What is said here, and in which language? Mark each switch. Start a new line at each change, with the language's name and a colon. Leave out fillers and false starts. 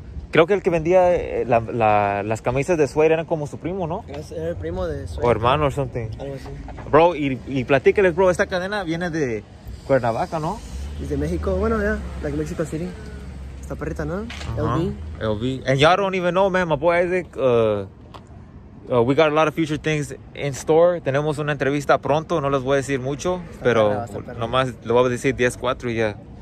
Spanish: Creo que el que vendía las camisas de Sway eran como su primo, ¿no? Era el primo de Sway. O hermano
English: or something.
Spanish: Algo así. Bro, y platíqueles, bro, esta cadena viene de Cuernavaca, ¿no? Es de México. Bueno, ya,
English: yeah. Like Mexico City.
Spanish: Esta perrita, ¿no? Uh-huh. LB.
English: And y'all don't even know, man, my boy Isaac, we got a lot of future things in store.
Spanish: Tenemos una entrevista pronto. No les voy a decir mucho, pero nomás lo voy a decir 10-4 y ya.